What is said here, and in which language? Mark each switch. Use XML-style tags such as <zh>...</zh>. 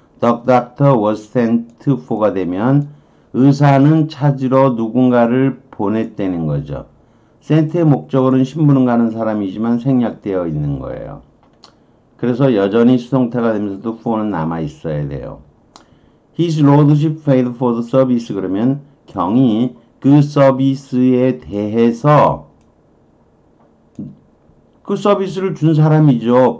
<en>The doctor was sent for</en> <ko>가 되면 의사는 찾으러 누군가를 보냈다는 거죠. sent의 목적어는 신부는 가는 사람이지만 생략되어 있는 거예요. 그래서 여전히 수동태가 되면서도 for는 남아 있어야 돼요.</ko> <en>His lordship paid for the service.</en> <ko>그러면 경이 그 서비스에 대해서 그 서비스를 준 사람이죠.</ko>